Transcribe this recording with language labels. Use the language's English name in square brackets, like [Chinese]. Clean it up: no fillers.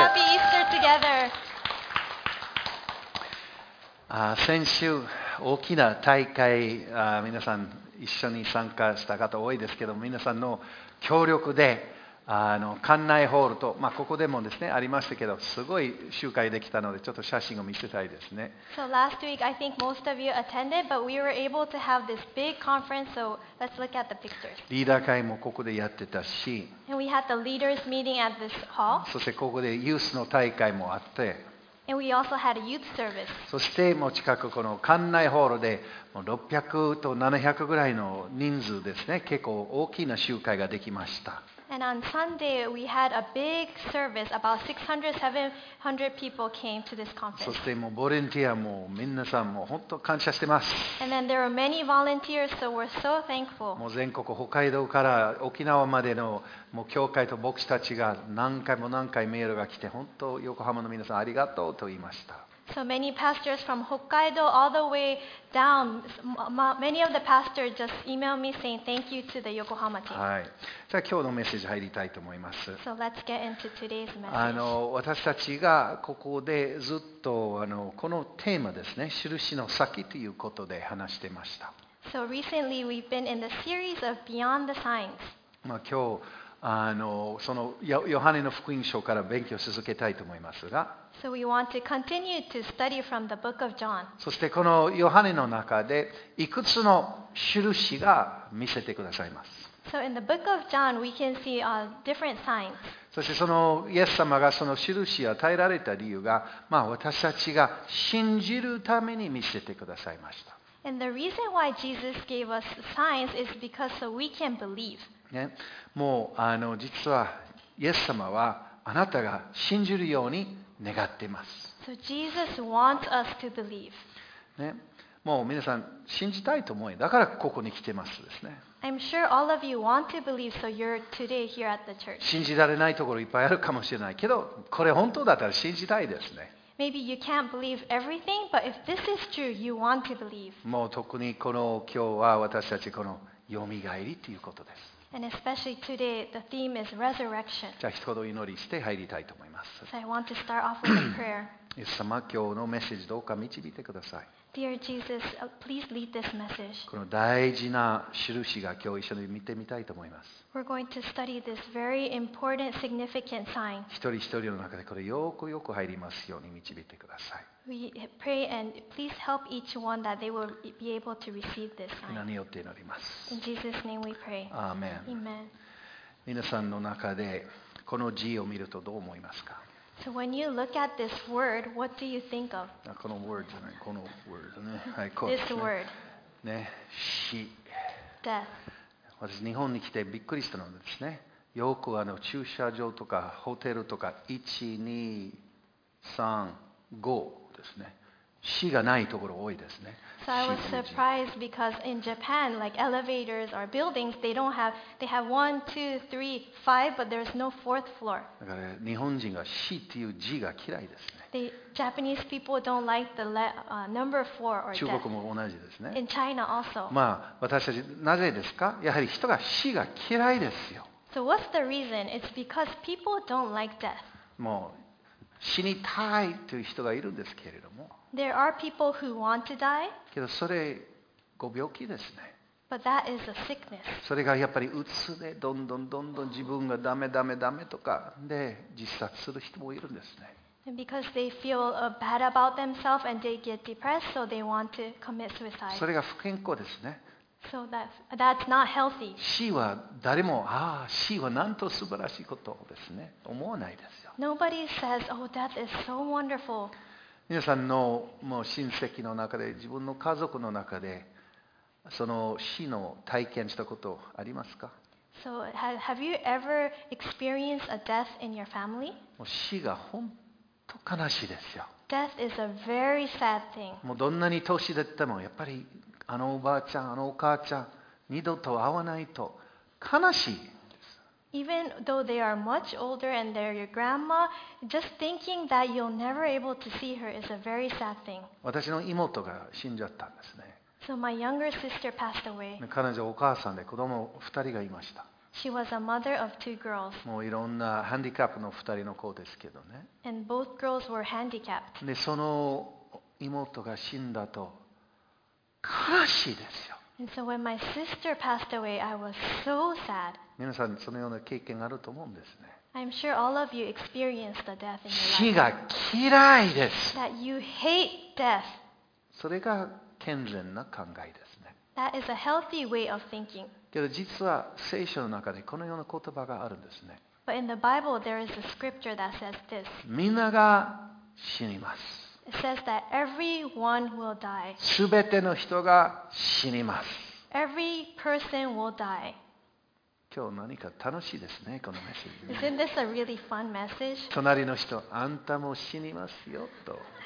[English] Let's say Happy Easter together! [Japanese] 先週、大きな大会、皆さん一緒に参加した方多いですけど、皆さんの協力で、館内ホールと、まあ、ここでもですねありましたけど、すごい集会できたのでちょっと写真を見せたいですね。 [English] So last week I think most of you attended, but we were able to have this big conference. So let's look at the pictures. [Japanese] リーダー会もここでやってたし。 [English] And we had the leaders meeting at this hall. [Japanese] そしてここでユースの大会もあって。 [English] And we also had a youth service. [Japanese] そしてもう近くこの館内ホールで600と700ぐらいの人数ですね、結構大きな集会ができました。 [English] And on Sunday we had a big service. About 600, 700 people came to this conference. [Japanese] そしてもうボランティアも皆さんも本当感謝してます。 [English] And then there were many volunteers, so we're so thankful. [Japanese] もう全国北海道から沖縄までのもう教会と牧師たちが何回も何回メールが来て、本当横浜の皆さんありがとうと言いました。 [English] So many pastors from Hokkaido all the way down. Many of the pastors just emailed me saying thank you to the Yokohama team. [Japanese] はい。じゃあ今日のメッセージ入りたいと思います。 [English] So let's get into today's message. [Japanese] 私たちがここでずっとこのテーマですね、印の先ということで話してました。 [English] So recently we've been in the series of Beyond the Signs. [Japanese] まあ今日そのヨハネの福音書から勉強を続けたいと思いますが、 [English] so、we want to continue to study from the book of John. [Japanese] そしてこのヨハネの中でいくつの印が見せてくださいます。 [English] So in the book of John, we can see different signs. [Japanese] そしてそのイエス様がその印を与えられた理由が、まあ、私たちが信じるために見せてくださいました。 [English] And the reason why Jesus gave us signs is because so we can believe [Japanese] ね、もう実はイエス様はあなたが信じるように願っています。 [English] So Jesus wants us to believe. [Japanese] ね、もう皆さん信じたいと思い、だからここに来てますですね。 [English] I'm sure all of you want to believe, so you're today here at the church. [Japanese] 信じられないところいっぱいあるかもしれないけど、これ本当だったら信じたいですね。 [English] Maybe you can't believe everything, but if this is true, you want to believe. [Japanese] もう特にこの今日は私たちこのよみがえりということです。 [English] And especially today, the theme is resurrection. [Japanese] じゃあ一言祈りして入りたいと思います。 [English] So I want to start off with a prayer. [Japanese] イエス様、今日のメッセージどうか導いてください。 [English] Dear Jesus, please lead this message. [Japanese] この大事な印が今日一緒に見てみたいと思います。 [English] We're going to study this very important, significant sign. [Japanese] 一人一人の中でこれよくよく入りますように導いてください。 [English] We pray and please help each one that they will be able to receive this sign. [Japanese] 皆によって祈ります。 [English] In Jesus' name we pray. Amen. Amen. [Japanese] 皆さんの中でこの字を見るとどう思いますか？ [English] So when you look at this word, what do you think of? [Japanese] この word じゃない、この word ね。はい、こ [English] う。This word. [Japanese] ね、死。 [English] Death. [Japanese] 私日本に来てびっくりしたのですね。よく駐車場とかホテルとか1、2、3、5ですね。死がないところ多いですね。 [English] So I was surprised because in Japan, like elevators or buildings, they don't have, they have one, two, three, five, but there's no fourth floor. [Japanese] だから日本人が死っていう字が嫌いですね。 [English] The Japanese people don't like the number four or death. [Japanese] 中国も同じですね。 [English] In China also. [Japanese] まあ私たちなぜですか？やはり人が死が嫌いですよ。 [English] So what's the reason? It's because people don't like death. [Japanese] もう死にたいという人がいるんですけれども。 [English] There are people who want to die. [Japanese] けどそれご病気ですね。 [English] But that is a sickness. [Japanese] それがやっぱりうつでどんどんどんどん自分がダメダメダメとかで自殺する人もいるんですね。 [English] And because they feel bad about themselves and they get depressed, so they want to commit suicide. [Japanese] それが不健康ですね。 [English] So that's not healthy. [Japanese] 死は誰も、ああ死はなんと素晴らしいことですね。思わないですよ。 [English] Nobody says, oh, death is so wonderful. [Japanese] 皆さんのもう親戚の中で、自分の家族の中で、その死の体験したことありますか？ [English] So have you ever experienced a death in your family? [Japanese] もう死が本当悲しいですよ。 [English] Death is a very sad thing. [Japanese] もうどんなに年だってもやっぱり。あのおばあちゃん、あのお母ちゃん、二度と会わないと悲しいです。 [English] Even though they are much older and they're your grandma, just thinking that you'll never able to see her is a very sad thing. [Japanese] 私の妹が死んじゃったんですね。 [English] So my younger sister passed away. [Japanese] 彼女お母さんで子供2人がいました。 [English] She was a mother of two girls. [Japanese] もういろんなハンディキャップの2人の子ですけどね。 [English] And both girls were handicapped. [Japanese] で、その妹が死んだと悲しいですよ。 [English] And so when my sister passed away, I was so sad. [Japanese] 皆さんそのような経験があると思うんですね。 [English] I'm sure all of you experienced the death in your life. [Japanese] 死が嫌いです。 [English] That you hate death. [Japanese] それが健全な考えですね。 [English] That is a healthy way of thinking. [Japanese] けど実は聖書の中でこのような言葉があるんですね。 [English] But in the Bible, there is a scripture that says this. [Japanese] みんなが死にます。 [English] It says that everyone will die. [Japanese] すべての人が死にます。 [English] Every person will die. [Japanese] 今日何か楽しいですね、このメッセージ。 [English] Isn't this a really fun message? [Japanese] 隣の人、あんたも死にますよと。